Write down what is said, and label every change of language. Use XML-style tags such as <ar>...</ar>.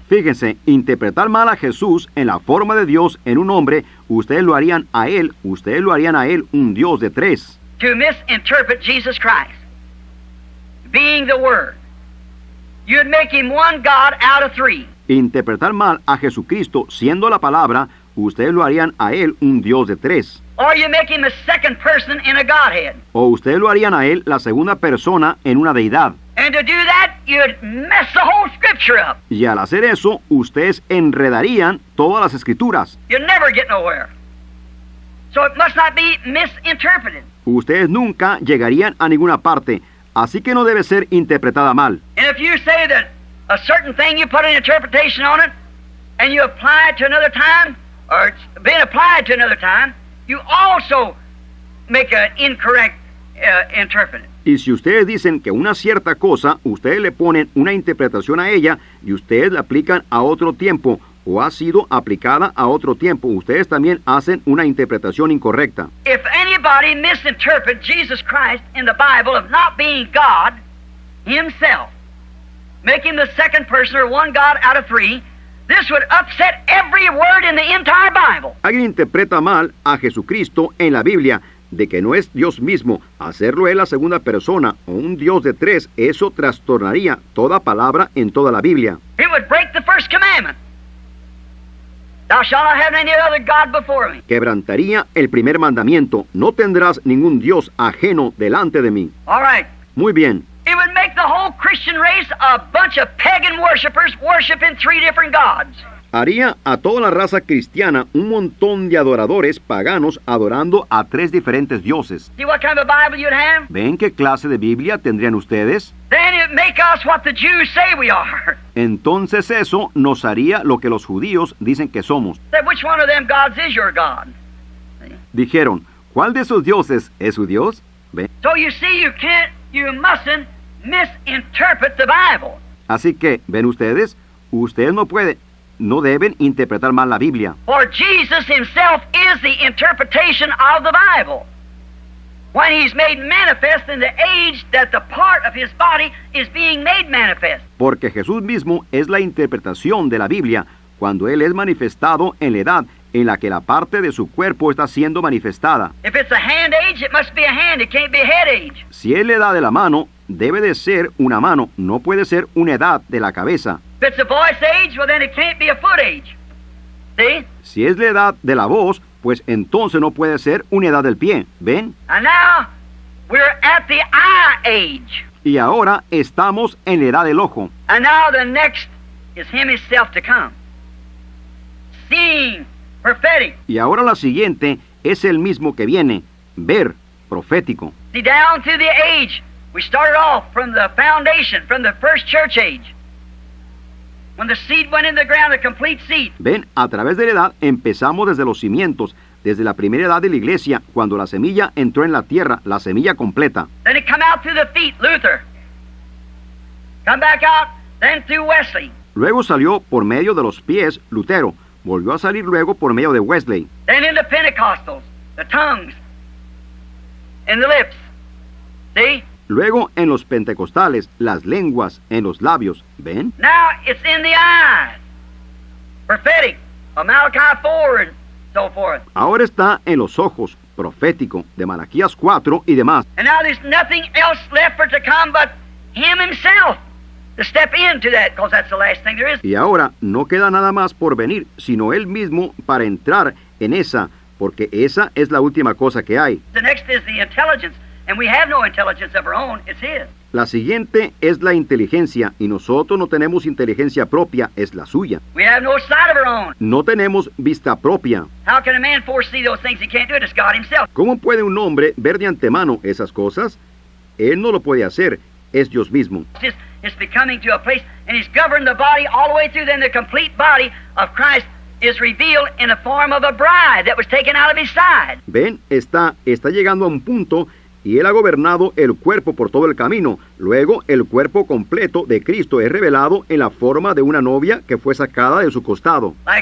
<es>Fíjense, interpretar mal a Jesús en la forma de Dios en un hombre, ustedes lo harían a él un Dios de tres.</es> <en>To misinterpret Jesus Christ. Being the Word, you'd make him one God out of three.</en> <es>Interpretar mal a Jesucristo siendo la palabra, ustedes lo harían a él un Dios de tres.</es> <en>Or you make him a second person in a Godhead.</en> <es>O ustedes lo harían a él la segunda persona en una deidad.</es> <en>And to do that, you'd mess the whole scripture up.</en> <es>Y al hacer eso, ustedes enredarían todas las escrituras.</es> <en>You'd never get nowhere. So it must not be misinterpreted.</en> <es>Ustedes nunca llegarían a ninguna parte. Así que no debe ser interpretada mal.</es> <en>And if you say that a certain thing you put an interpretation on it and you apply it to another time or it's been applied to another time, you also make an incorrect interpret.</en> <es>Y si ustedes dicen que una cierta cosa, ustedes le ponen una interpretación a ella y ustedes la aplican a otro tiempo o ha sido aplicada a otro tiempo. Ustedes también hacen una interpretación incorrecta.</es> <en>If anybody misinterprets Jesus Christ in the Bible of not being God himself, making the second person or one God out of three, this would upset every word in the entire Bible.</en> <es>Alguien interpreta mal a Jesucristo en la Biblia de que no es Dios mismo, hacerlo él la segunda persona o un Dios de tres, eso trastornaría toda palabra en toda la Biblia.</es> <en>He would break the first commandment. Thou shalt not have any other God before me.</en> <es>Quebrantaría el primer mandamiento, no tendrás ningún Dios ajeno delante de mí.</es> <en>All right.</en> <es>Muy bien.</es> <en>It would make the whole Christian race a bunch of pagan worshipers worshiping three different gods.</en> <es>Haría a toda la raza cristiana un montón de adoradores paganos adorando a tres diferentes dioses.</es> <en>See what kind of Bible you'd have?</en> <es>¿Ven qué clase de Biblia tendrían ustedes?</es> <en>Then it'd make us what the Jews say we are.</en> <es>Entonces eso nos haría lo que los judíos dicen que somos.</es> <en>Said, which one of them gods is your God?</en> <es>Dijeron, ¿cuál de esos dioses es su Dios? ¿Ven?</es> <en>So you see, you can't, you mustn't misinterpret the Bible.</en> <es>Así que, ¿ven ustedes? Ustedes no pueden... No deben interpretar mal la Biblia.</es> <en>For Jesus himself is the interpretation of the Bible. When he's made manifest in the age that the part of his body is being made manifest.</en> <es>Porque Jesús mismo es la interpretación de la Biblia cuando él es manifestado en la edad en la que la parte de su cuerpo está siendo manifestada.</es> <en>If it's a hand age, it must be a hand. It can't be a head age.</en> <es>Si es la edad de la mano, debe de ser una mano. No puede ser una edad de la cabeza.</es> <en>If it's a voice age, well then it can't be a foot age. See?</en> <es>Si es la edad de la voz, pues entonces no puede ser una edad del pie. ¿Ven?</es> <en>And now, we're at the eye age.</en> <es>Y ahora estamos en la edad del ojo.</es> <en>And now the next is him himself to come. Seeing, prophetic.</en> <es>Y ahora la siguiente es el mismo que viene. Ver, profético.</es> <en>See, down to the age. We started off from the foundation, from the first church age. When the seed went in the ground, a complete seed.</en> <es>Ven, a través de la edad, empezamos desde los cimientos, desde la primera edad de la iglesia, cuando la semilla entró en la tierra, la semilla completa.</es> <en>Then it come out through the feet, Luther. Come back out, then through Wesley.</en> <es>Luego salió por medio de los pies, Lutero. Volvió a salir luego por medio de Wesley.</es> <en>Then in the Pentecostals, the tongues, and the lips. See?</en> <es>Luego en los pentecostales, las lenguas en los labios, ¿ven?</es> <en>Now it's in the eyes. Prophetic. Malachi 4 and so forth.</en> <es>Ahora está en los ojos, profético, de Malaquías 4 y demás.</es> <en>And now there's nothing else left for to come but him himself to step into that, because that's the last thing there is.</en> <es>Y ahora no queda nada más por venir, sino él mismo para entrar en esa, porque esa es la última cosa que hay.</es> <en>The next is the intelligence. And we have no intelligence of our own, it's his.</en> <es>La siguiente es la inteligencia, y nosotros no tenemos inteligencia propia, es la suya.</es> <en>We have no sight of our own.</en> <es>No tenemos vista propia.</es> <en>How can a man foresee those things? He can't do it, it's God himself.</en> <es>¿Cómo puede un hombre ver de antemano esas cosas? Él no lo puede hacer, es Dios mismo.</es> <en>It's becoming to a place, and he's governed the body all the way through, then the complete body of Christ is revealed in the form of a bride that was taken out of his side.</en> <es>Ven, está llegando a un punto. Y él ha gobernado el cuerpo por todo el camino. Luego, el cuerpo completo de Cristo es revelado en la forma de una novia que fue sacada de su costado.</es>